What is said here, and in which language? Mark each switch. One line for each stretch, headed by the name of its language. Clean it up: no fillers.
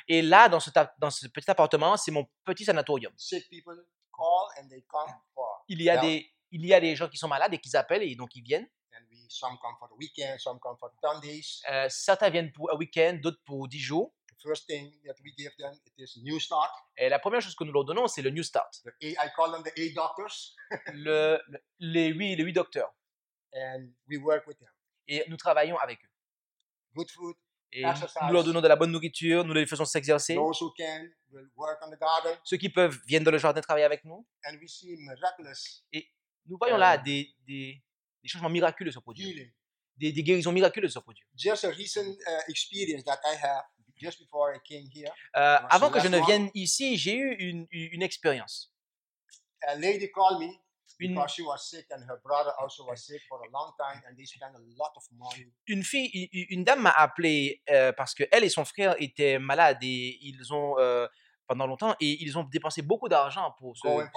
French: Et là, dans ce petit appartement, c'est mon petit sanatorium.
English: Sick people call and they come for.
French: Il y a des gens qui sont malades et qui appellent et donc ils viennent.
English: And we some come for a weekend, some come for 10 days.
French: Certains viennent pour un week-end, d'autres pour 10 jours.
English: First thing that we give them it is new start.
French: Et la première chose que nous leur donnons c'est le new start.
English: I call them the eight doctors.
French: les huit docteurs.
English: And we work with them.
French: Et nous travaillons avec eux.
English: Good food.
French: Et nous leur donnons de la bonne nourriture, nous les faisons s'exercer.
English: Those who can will work on the garden.
French: Ceux qui peuvent viennent dans le jardin travailler avec nous.
English: And we see miraculous.
French: Et nous voyons là des changements miraculeux se produire. Des guérisons miraculeuses se produire.
English: Just a recent experience that I have. Just before I came here,
French: avant que je ne vienne ici, j'ai eu une expérience.
English: A lady called me because she was sick and her brother also was sick for a long time and they spent a lot of money.
French: Une dame m'a appelé parce que elle et son frère étaient malades et ils ont pendant longtemps et ils ont dépensé beaucoup d'argent pour se